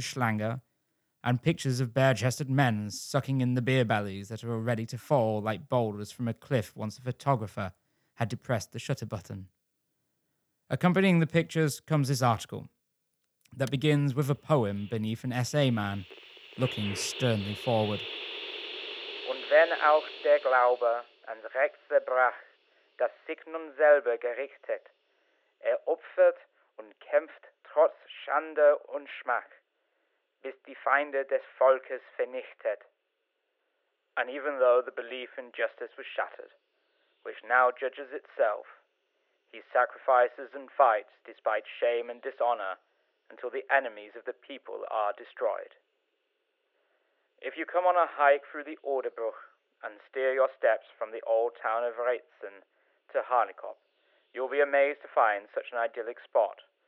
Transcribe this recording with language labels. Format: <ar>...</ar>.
<en>Schlanger, and pictures of bare-chested men sucking in the beer bellies that were ready to fall like boulders from a cliff once a photographer had depressed the shutter button. Accompanying the pictures comes this article that begins with a poem beneath an SA man looking sternly forward.</en> <de>Und wenn auch der Glaube an Rechte brach, das sich nun selber gerichtet, er opfert und kämpft trotz Schande und Schmach, bis die Feinde des Volkes vernichtet.</de> <en>And even though the belief in justice was shattered, which now judges itself, he sacrifices and fights despite shame and dishonor until the enemies of the people are destroyed. If you come on a hike through the Oderbruch and steer your steps from the old town of Reitzen to Harnikop, you'll be amazed to find such an idyllic spot,</en>